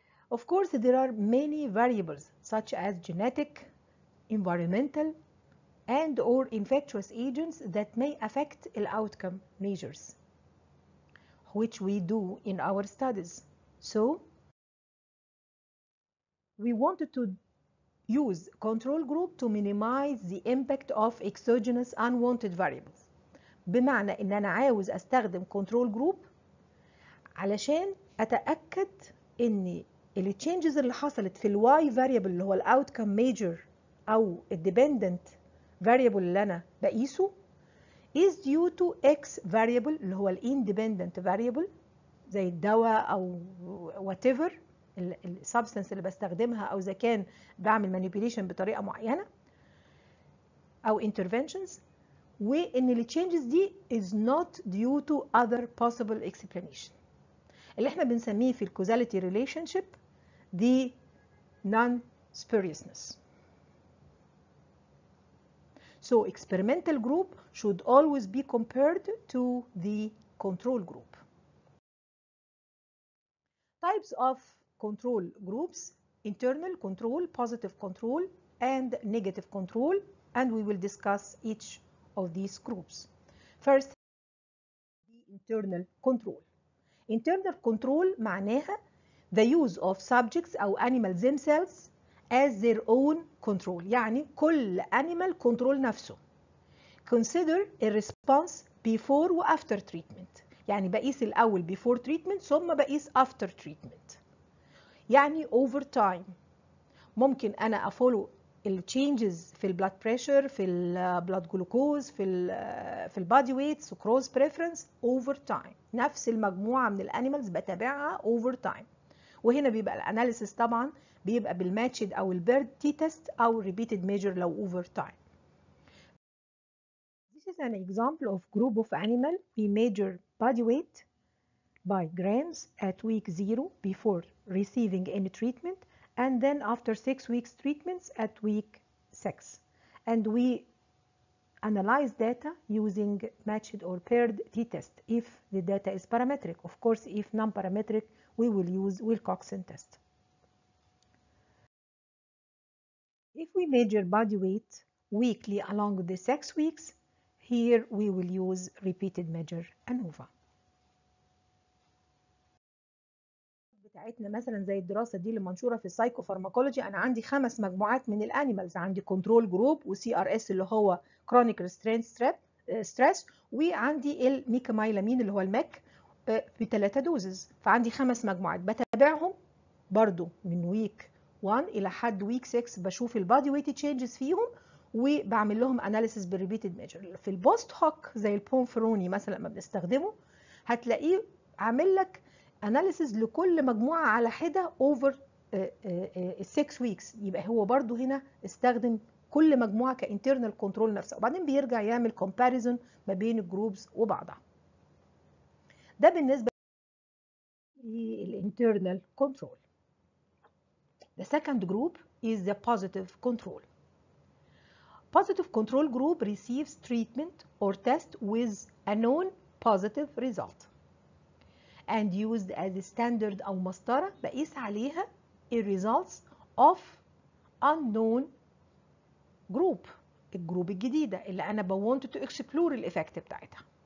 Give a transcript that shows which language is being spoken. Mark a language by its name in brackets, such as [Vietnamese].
[English] Of course, there are many variables such as genetic, environmental, and or infectious agents that may affect the outcome measures, which we do in our studies. So, we wanted to use control group to minimize the impact of exogenous unwanted variables. [Arabic] بمعنى ان انا عاوز استخدم control group علشان اتأكد ان ال changes اللي حصلت في ال y variable اللي هو ال outcome major او dependent variable اللي انا بقيسه [English] is due to x variable [Arabic] اللي هو ال independent variable زي الدواء او whatever السبستنس اللي بستخدمها او اذا كان بعمل manipulation بطريقه معينه او interventions وان ال changes دي [English] is not due to other possible explanation [Arabic] اللي احنا بنسميه في الكوزاليتي ريليشن شيب دي نون سبيريسنس. [English] So experimental group should always be compared to the control group. Types of control groups: internal control, positive control, and negative control, and we will discuss each of these groups. First, the internal control. Internal control معناها the use of subjects or animals themselves as their own control. [Arabic] يعني كل animal control نفسه. [English] Consider a response before and after treatment. [Arabic] يعني بقيس الأول [English] before treatment [Arabic] ثم بقيس [English] after treatment. [Arabic] يعني [English] over time [Arabic] ممكن انا افولو changes في blood pressure في blood glucose في body weight sucrose preference over time نفس المجموعه من الانيمالز بتابعها over time وهنا بيبقى الاناليسيس طبعا بيبقى بالماتشد او البيرد تي تيست او ريبيتد ميجر لو over time. [English] This is an example of group of animal we measure body weight by grams at week 0 before receiving any treatment and then after 6 weeks treatments at week 6 and we analyze data using matched or paired t-test if the data is parametric. Of course if non-parametric we will use Wilcoxon test. If we measure body weight weekly along the 6 weeks here we will use repeated measure ANOVA. [Arabic] بتاعتنا مثلا زي الدراسه دي اللي منشوره في السايكوفارماكولوجي انا عندي خمس مجموعات من الانيمالز عندي كنترول جروب وسي ار اس اللي هو كرونيك ريستريند ستريس وعندي الميكامايلامين اللي هو الماك بثلاثه دوزز فعندي خمس مجموعات بتابعهم برده من ويك 1 الى حد ويك 6 بشوف البادي ويت تشينجز فيهم وبعمل لهم اناليسيس بالريبيتد ميجر في البوست هوك زي البونفروني مثلا ما بنستخدمه هتلاقيه عامل لك [English] analysis [Arabic] لكل مجموعة على حدة over [English] 6 weeks [Arabic] يبقى هو برضو هنا استخدم كل مجموعة كinternal control نفسه وبعدين بيرجع يعمل comparison ما بين groups وبعضها ده بالنسبة للinternal control. [English] The second group is the positive control. Positive control group receives treatment or test with a known positive result and used as a standard [Arabic] أو مسطرة بقيس عليها [English] the results of unknown group [Arabic] الجروب الجديدة اللي أنا [English] بwanted to explore the effect بتاعتها.